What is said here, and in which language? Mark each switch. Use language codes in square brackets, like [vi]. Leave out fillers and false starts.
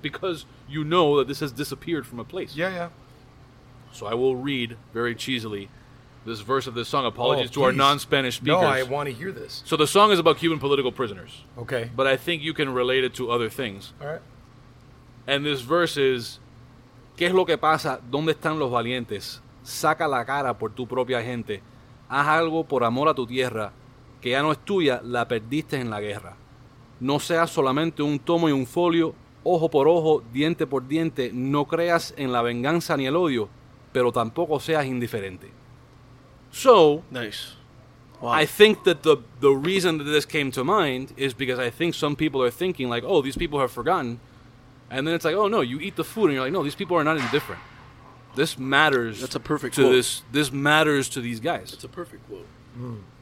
[en] Because you know that this has disappeared from a place. Yeah, yeah. So I will read very cheesily this verse of this song. Apologies to our non-Spanish speakers. No, I want to hear this. So the song is about Cuban political prisoners. Okay. But I think you can relate it to other things. All right. And this verse is... [es] ¿Qué es lo que pasa? ¿Dónde están los valientes? Saca la cara por tu propia gente. Haz algo por amor a tu tierra. Que ya no es tuya, la perdiste en la guerra. No seas solamente un tomo y un folio, ojo por ojo, diente por diente, no creas en la venganza ni el odio, pero tampoco seas indiferente. [en] So, nice. Wow. I think that the reason that this came to mind is because I think some people are thinking like, oh, these people have forgotten. And then it's like, oh no, you eat the food and you're like, no, these people are not indifferent. This matters. That's a perfect to quote. This matters to these guys. That's a perfect quote. Mm.